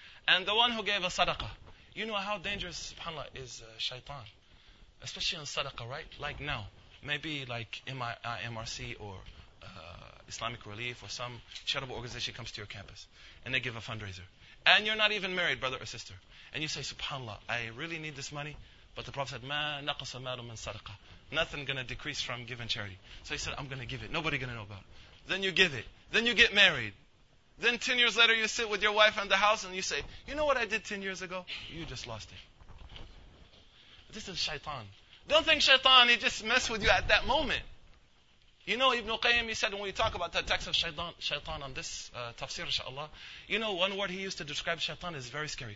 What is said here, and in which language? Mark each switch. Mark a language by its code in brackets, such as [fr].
[en] And the one who gave a sadaqah. You know how dangerous, subhanAllah, is shaitan. Especially in sadaqah, right? Like now. Maybe like MRC or Islamic Relief or some charitable organization comes to your campus. And they give a fundraiser. And you're not even married, brother or sister. And you say, subhanAllah, I really need this money. But the Prophet said, [ar] ما نقص مال من صدقة. [en] Nothing going to decrease from giving charity. So he said, I'm going to give it. Nobody going to know about it. Then you give it. Then you get married. Then 10 years later, you sit with your wife in the house and you say, you know what I did 10 years ago? You just lost it. This is shaitan. Don't think shaitan, he just messed with you at that moment. You know, Ibn Qayyim, he said, when we talk about the attacks of shaitan on this tafsir, inshaAllah, you know, one word he used to describe shaitan is very scary.